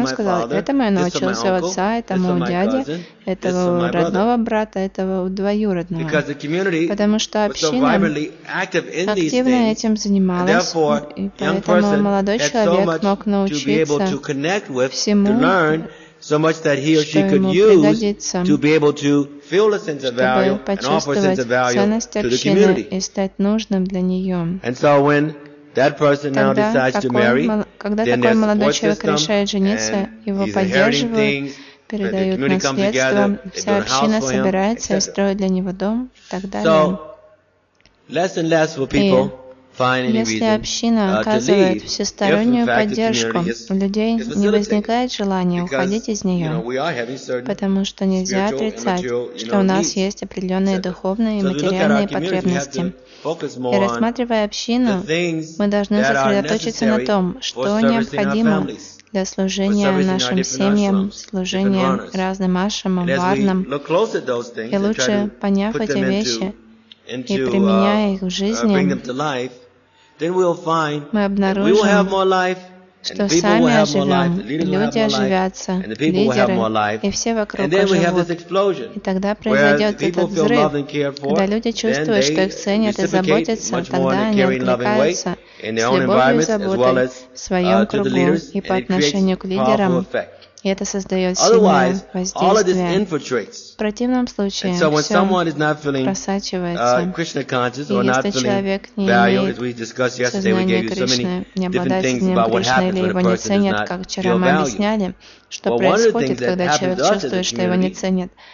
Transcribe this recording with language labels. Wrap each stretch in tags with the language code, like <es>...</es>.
<ru>Он сказал, этому я научился у отца, этому у дяди, этого у родного брата, этого у двоюродного. Потому что община активно этим занималась, и поэтому молодой человек мог научиться всему,</ru> <en>so much that he or she could use to be able to feel a sense of value and offer a sense of value to the community. And so when that person now decides to marry, then there's support system, and he's inheriting things, the community comes together, they build a house for him, etc. So, less and less will people</en> <ru>если община оказывает всестороннюю поддержку, у людей не возникает желания уходить из нее, потому что нельзя отрицать, что у нас есть определенные духовные и материальные потребности. И рассматривая общину, мы должны сосредоточиться на том, что необходимо для служения нашим семьям, служения разным ашрамам, варнам, и лучше поняв эти вещи и применяя их в жизни,</ru> <en>then we'll find that we will have more life, and the people will have more life, the leaders will have more life, and the people will have more life, and then we have this explosion, where the people feel loved and cared for, then they reciprocate much more in a caring, loving way, in their own environment, as well as to the leaders, and it creates powerful effect.</en> <ru>И это создает сильное воздействие. В противном случае, все просачивается. И если человек не имеет сознания Кришны, не обладает сознанием Кришны, или его не ценят, как вчера мы объясняли, что происходит, когда человек чувствует, что его не ценят.</ru>